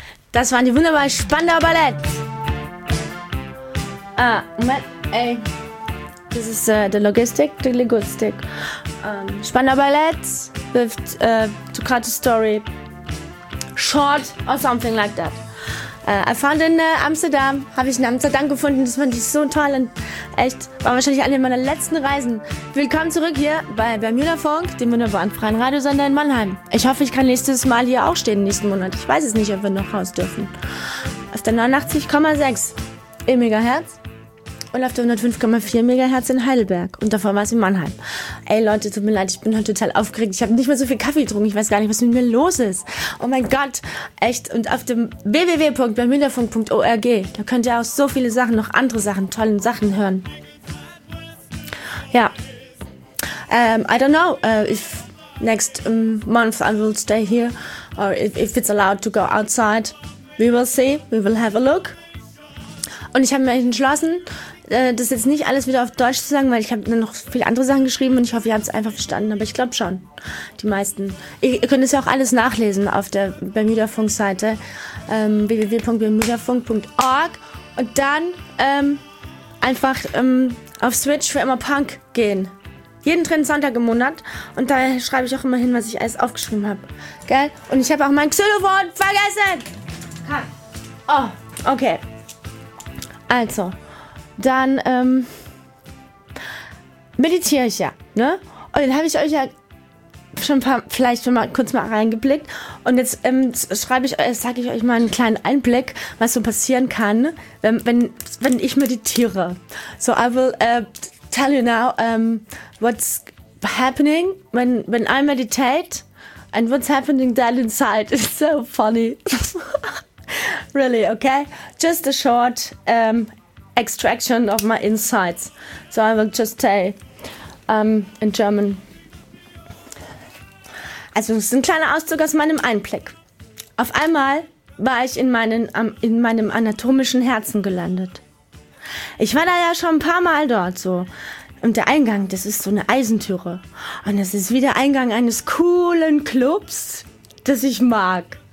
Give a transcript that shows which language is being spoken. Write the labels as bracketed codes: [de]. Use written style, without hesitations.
[de] Das waren die wunderbaren Spandauer Ballets. Moment, ey. Das ist der Logistik, der Logistik. [en] Spandauer Ballets with Socrates Story. Short or something like that. I found in Amsterdam, [de] habe ich in Amsterdam gefunden, das fand ich so toll und echt, war wahrscheinlich eine meiner letzten Reisen. Willkommen zurück hier bei Bermuda Funk, dem wunderbaren freien Radiosender in Mannheim. Ich hoffe, ich kann nächstes Mal hier auch stehen, nächsten Monat. Ich weiß es nicht, ob wir noch raus dürfen. Auf der 89,6 im Megahertz und auf der 105,4 Megahertz in Heidelberg und davor war es in Mannheim. Ey Leute, tut mir leid, ich bin heute total aufgeregt. Ich habe nicht mehr so viel Kaffee getrunken. Ich weiß gar nicht, was mit mir los ist. Oh mein Gott, echt. Und auf dem www.bermudafunk.org, da könnt ihr auch so viele Sachen, noch andere Sachen, tollen Sachen hören. Ja. [en] I don't know if next month I will stay here or if it's allowed to go outside. We will see, we will have a look. [de] Und ich habe mir entschlossen, das jetzt nicht alles wieder auf Deutsch zu sagen, weil ich habe noch viele andere Sachen geschrieben und ich hoffe, ihr habt es einfach verstanden. Aber ich glaube schon, die meisten. Ihr könnt es ja auch alles nachlesen auf der Bermuda-Funk-Seite www.bermudafunk.org und dann einfach auf Switch für immer Punk gehen. Jeden dritten Sonntag im Monat. Und da schreibe ich auch immer hin, was ich alles aufgeschrieben habe. Gell? Und ich habe auch mein Xylophon vergessen. Ha. Oh, okay. Also, dann meditiere ich ja, ne? Und dann habe ich euch ja schon ein paar, vielleicht schon mal kurz mal reingeblickt. Und jetzt sage ich euch mal einen kleinen Einblick, was so passieren kann, wenn ich meditiere. [en] So, I will tell you now what's happening when I meditate and what's happening down inside. It's so funny. Really, okay? Just a short extraction of my insights. So I will just say in German. [de] Also es ist ein kleiner Auszug aus meinem Einblick. Auf einmal war ich in meinem anatomischen Herzen gelandet. Ich war da ja schon ein paar Mal dort so. Und der Eingang, das ist so eine Eisentüre. Und das ist wie der Eingang eines coolen Clubs, das ich mag.